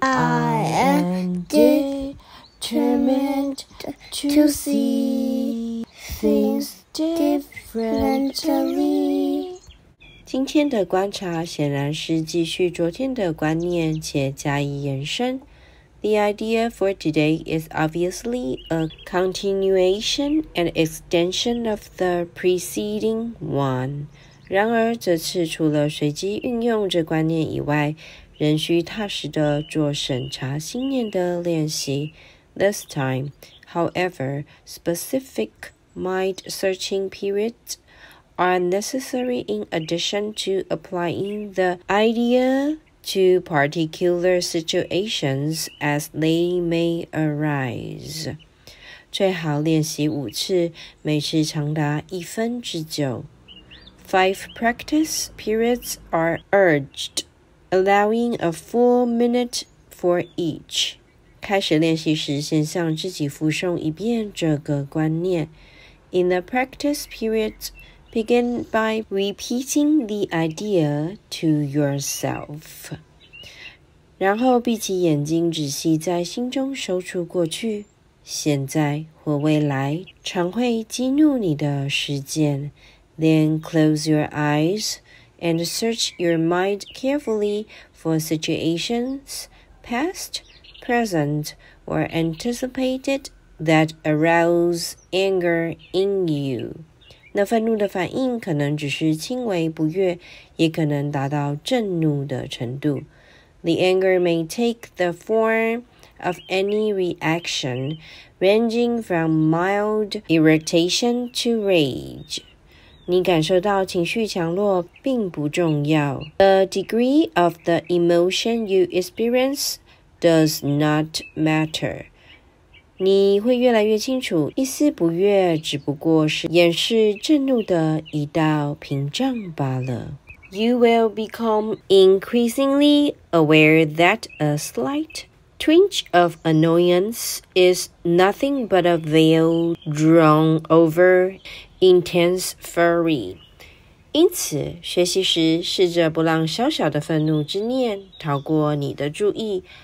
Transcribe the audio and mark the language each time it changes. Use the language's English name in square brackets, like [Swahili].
[English] I am determined to see things differently。 [Chinese] 今天的观察显然是继续昨天的观念且加以延伸。 [English] The idea for today is obviously a continuation and extension of the preceding one. [Chinese] 然而这次除了随机运用这观念以外，仍需踏实地做审查信念的练习。 [English] This time, however, specific mind searching periods are necessary in addition to applying the idea to particular situations as they may arise. [Chinese] 最好练习五次，每次长达一分之久。 [English] 5 practice periods are urged, allowing a full minute for each. [Chinese] 开始练习时，先向自己复诵一遍这个观念。 [English] In the practice periods, begin by repeating the idea to yourself. [Chinese] 然后闭起眼睛，仔细在心中搜出过去、现在或未来常会激怒你的事件。 [English] Then close your eyes and search your mind carefully for situations, past, present, or anticipated that arouse anger in you. [Chinese] 那愤怒的反应可能只是轻微不悦，也可能达到震怒的程度。 [English] The anger may take the form of any reaction, ranging from mild irritation to rage. [Chinese] 你感受到情绪强弱并不重要。 [English] The degree of the emotion you experience does not matter. [Chinese] 你会越来越清楚，一丝不悦只不过是掩饰震怒的一道屏障罢了。 [English] You will become increasingly aware that a slight twinge of annoyance is nothing but a veil drawn over intense fury. [Chinese] 因此，学习时试着不让小小的愤怒之念逃过你的注意。